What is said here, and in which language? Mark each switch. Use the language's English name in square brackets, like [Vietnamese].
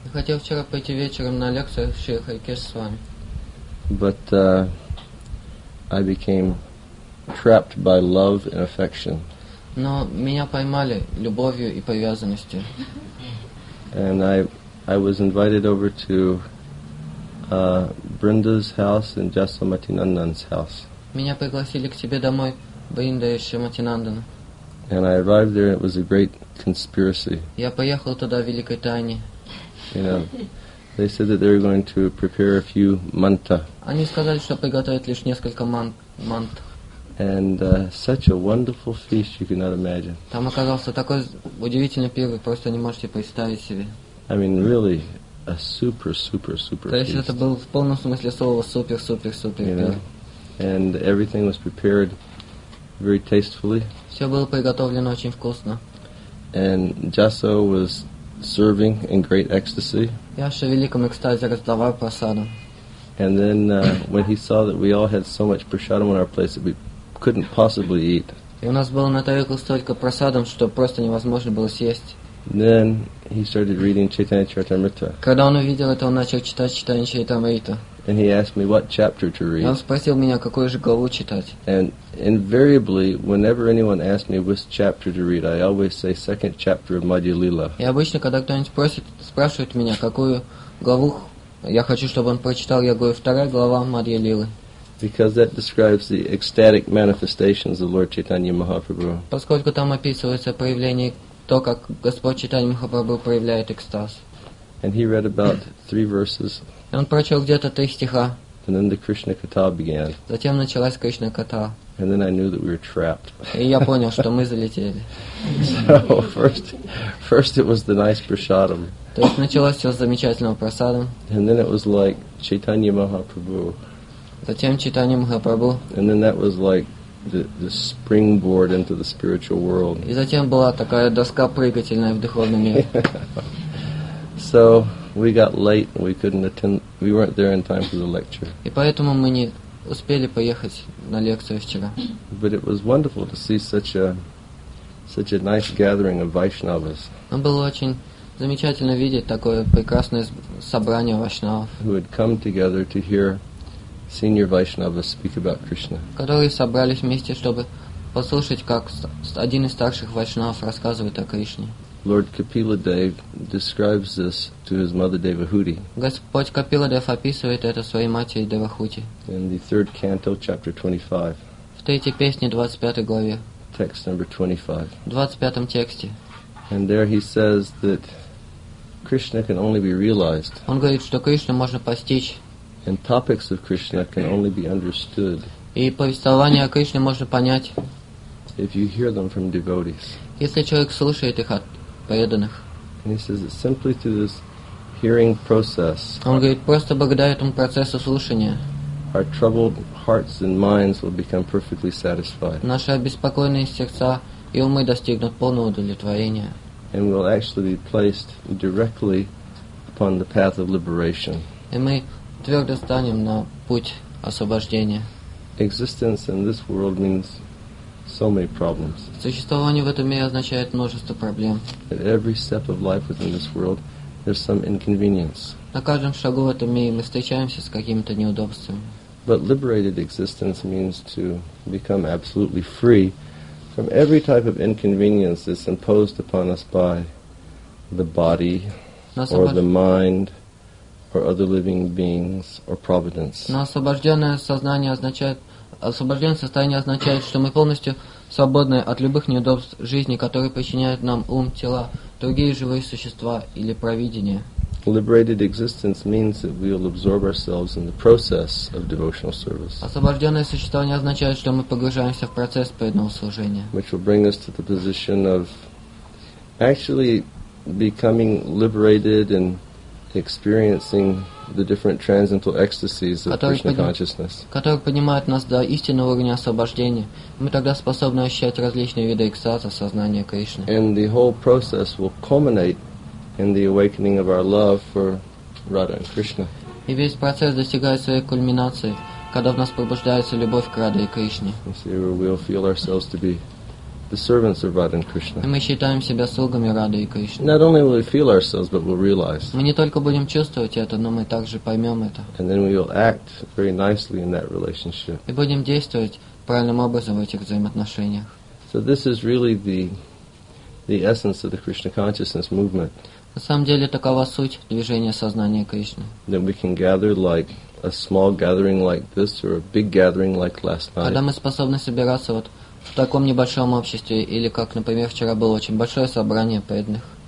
[Russian] Хотел вчера пойти вечером на лекцию Шри Хари Кешасвами. [English] But I became trapped by love and affection. [Russian] Но меня поймали любовью и привязанностью. [English] And I was invited over to Brinda's house and Jasamati Nandan's house. [Russian] Меня пригласили к себе домой, Бринда и Шримати Нандана. [English] And I arrived there, it was a great conspiracy. [Russian] Я поехал туда в великой тайне. [English] You know, they said that they were going to prepare a few manta. [Russian] Они сказали, что приготовят лишь несколько мант. [English] And such a wonderful feast you cannot imagine. [Russian] Там оказался такой удивительный пир, вы просто не можете представить себе. [English] I mean, really, a super feast. [Russian] То есть это был в полном смысле слова супер пир. [English] And everything was prepared very tastefully. [Russian] Все было приготовлено очень вкусно. [English] And Jaso was serving in great ecstasy. [Russian] Яша в великом экстазе раздавал просаду. [English] And then when he saw that we all had so much prasadam on our plates that we couldn't possibly eat. [Russian] И у нас было на тарелках столько просадом, что просто невозможно было съесть. [English] Then he started reading Chaitanya Charitamrita. [Russian] Когда он увидел это, он начал читать Chaitanya Charitamrita. [English] And he asked me what chapter to read. [Russian] Он спросил меня, какую же главу читать. [English] And invariably, whenever anyone asks me which chapter to read, I always say second chapter of Madhya Lila. [Russian] И обычно, когда кто-нибудь спрашивает меня, какую главу я хочу, чтобы он прочитал, я говорю, вторая глава Мадья Лилы. [English] Because that describes the ecstatic manifestations of Lord Chaitanya Mahaprabhu. [Russian] Поскольку там описывается проявление, то, как Господь Чайтанья Махапрабху проявляет экстаз. [English] And he read about three verses. [Russian] И он прочел где-то три стиха. [English] And then the Krishna Katha began. [Russian] Затем началась Кришна Катха. [English] And then I knew that we were trapped. [Russian] И я понял, что мы залетели. [English] So first it was the nice prasadam. [Russian] То есть началось все с замечательного просада. [English] And then it was like Chaitanya Mahaprabhu. [Russian] Затем Чайтанья Махапрабху. [English] And then that was like the springboard into the spiritual world. [Russian] И затем была такая доска прыгательная в духовный мир. [English] So we got late and we couldn't attend. We weren't there in time for the lecture. [Russian] И поэтому мы не успели поехать на лекцию вчера. [English] But it was wonderful to see such a nice gathering of Vaishnavas. [Russian] Но было очень замечательно видеть такое прекрасное собрание вайшнавов. [English] Who had come together to hear senior Vaishnavas speak about Krishna. [Russian] Которые собрались вместе, чтобы послушать, как один из старших вайшнавов рассказывает о Кришне. [English] Lord Kapila Dev describes this to his mother Devahuti. [Russian] Господь Капила Дев описывает это своей матери Девахути. [English] In the third canto, chapter 25. [Russian] В третьей песне, 25 главе. [English] Text number 25. [Russian] В 25 тексте. [English] And there he says that Krishna can only be realized. [Russian] Он говорит, что Кришну можно постичь. [English] And topics of Krishna can only be understood. [Russian] И повествования о Кришне можно понять. [English] If you hear them from devotees. [Russian] Если человек слушает их от преданных. [English] And he says that simply through this hearing process. [Russian] Он говорит, просто благодаря этому процессу слушания. [English] Our troubled hearts and minds will become perfectly satisfied. [Russian] Наши обеспокоенные сердца и умы достигнут полного удовлетворения. [English] And we'll actually be placed directly upon the path of liberation. [Russian] И мы твердо станем на путь освобождения. [English] Existence in this world means so many problems. [Russian] Существование в этом мире означает множество проблем. [English] At every step of life within this world, there's some inconvenience. [Russian] На каждом шагу в этом мире мы встречаемся с какими-то неудобствами. [English] But liberated existence means to become absolutely free from every type of inconvenience that's imposed upon us by the body or the mind. Or other living beings or providence. [Russian] Но освобожденное сознание означает освобожденное состояние означает, что мы полностью свободны от любых неудобств жизни, которые причиняют нам ум, тела, другие живые существа или провидения. [English] Liberated existence means that we will absorb ourselves in the process of devotional service. [Russian] Освобожденное существование означает, что мы погружаемся в процесс преданного служения. [English] Which will bring us to the position of actually becoming liberated and experiencing the different transcendental ecstasies of Krishna consciousness. [Russian] Который поднимает нас до истинного уровня освобождения. Мы тогда способны ощущать различные виды экстаза сознания Кришны. [English] And the whole process will culminate in the awakening of our love for Radha and Krishna. [Russian] И весь процесс достигает своей кульминации, когда в нас пробуждается любовь к Раде и Кришне. [English] We see where we'll feel ourselves to be the servants of Radha and Krishna. [Russian] И мы считаем себя слугами Рады и Кришны. [English] Not only will we feel ourselves, but we'll realize. [Russian] Мы не только будем чувствовать это, но мы также поймем это. [English] And then we will act very nicely in that relationship. [Russian] И будем действовать правильным образом в этих взаимоотношениях. [English] So this is really the essence of the Krishna consciousness movement. [Russian] На самом деле такова суть движения сознания Кришны. [English] That we can gather like a small gathering like this or a big gathering like last night. [Russian] Когда мы способны собираться вот в таком небольшом обществе или как, например, вчера было очень большое собрание преданных.